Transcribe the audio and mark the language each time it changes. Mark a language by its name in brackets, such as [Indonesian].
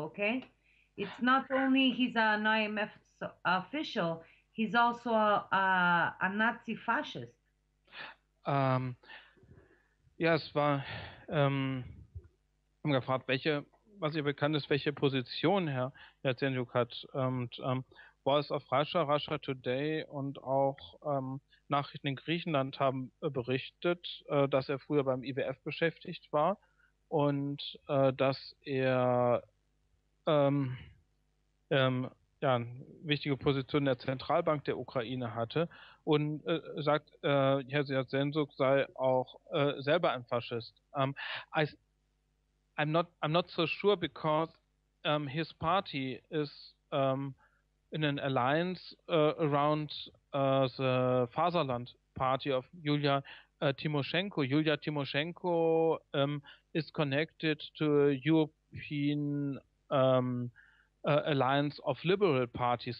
[English] Okay, it's not only he's an IMF official, he's also a Nazi fascist. [German] Es war gefragt, welche, was ihr bekannt ist, welche Position Herr Yatsenyuk hat. Voice of Russia, Russia Today und auch Nachrichten in Griechenland haben berichtet, dass er früher beim IWF beschäftigt war und dass er eine wichtige Position in der Zentralbank der Ukraine hatte, und sagt, Herr Yatsenyuk sei auch selber ein Faschist. [English] I'm not so sure, because his party is in an alliance around the Fatherland Party of Yulia Tymoshenko. Yulia Tymoshenko is connected to a European alliance of liberal parties.